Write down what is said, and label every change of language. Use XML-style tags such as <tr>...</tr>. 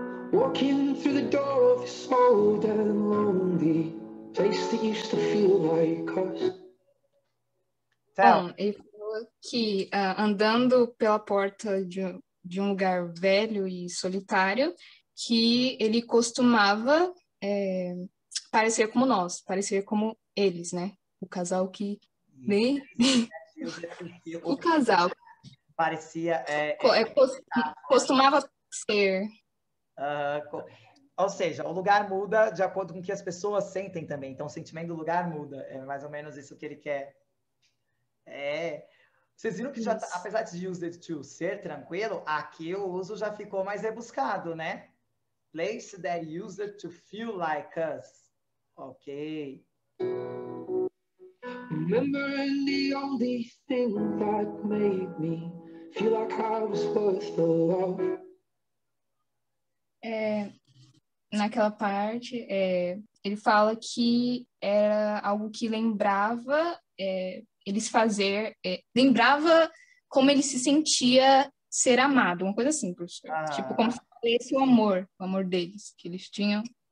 <en>Walking through the door of this old and lonely place that used to feel like us.</en> <pt>Bom, ele falou que andando pela porta de um lugar velho e solitário, que ele costumava parecer como nós, parecer como eles, né? O casal que nem o casal Parecia costumava ser. ou seja, o lugar muda de acordo com o que as pessoas sentem também, então o sentimento do lugar muda, é mais ou menos isso que ele quer. Vocês viram que já tá, Isso. apesar de</pt> <en>use it to</en> <pt>ser tranquilo, aqui o uso já ficou mais rebuscado, né?</pt> <en>Place that use it to feel like us. Ok. Remembering the only thing that made me feel like I was worth the love.</en> <pt>Naquela parte, ele fala que era algo que lembrava, eles fazer, lembrava como ele se sentia ser amado, uma coisa assim, professor. Tipo, como se fosse o amor deles, que eles tinham.</pt>